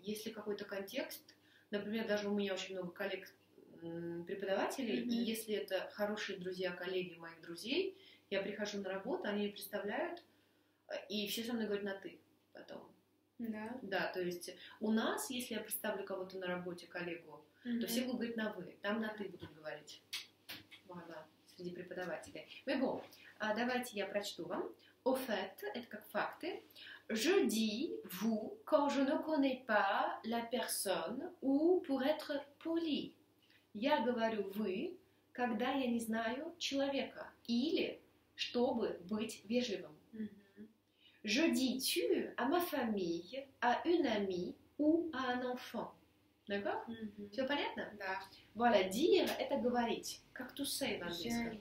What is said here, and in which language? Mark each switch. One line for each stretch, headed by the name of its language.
Russian: Если какой-то контекст, например, даже у меня очень много коллег, преподавателей, и если это хорошие друзья, коллеги моих друзей, я прихожу на работу, они представляют, и все со мной говорят на ты потом. Да. Да, то есть у нас, если я представлю кого-то на работе, коллегу, то все будут говорить на вы, там на ты будут говорить. Вуаля, среди преподавателей.
French: Mais bon,
Russian: давайте я прочту вам.
French: Au fait,
Russian: это как факты.
French: Je dis vous quand je ne connais pas la personne ou pour être poli.
Russian: Я говорю вы, когда я не знаю человека, или чтобы быть вежливым.
French: Je dis tu à ma famille, à une amie ou à un enfant.
Russian: D'accord? Всё понятно? Да. Voilà, dire – это говорить. Как to say на английском?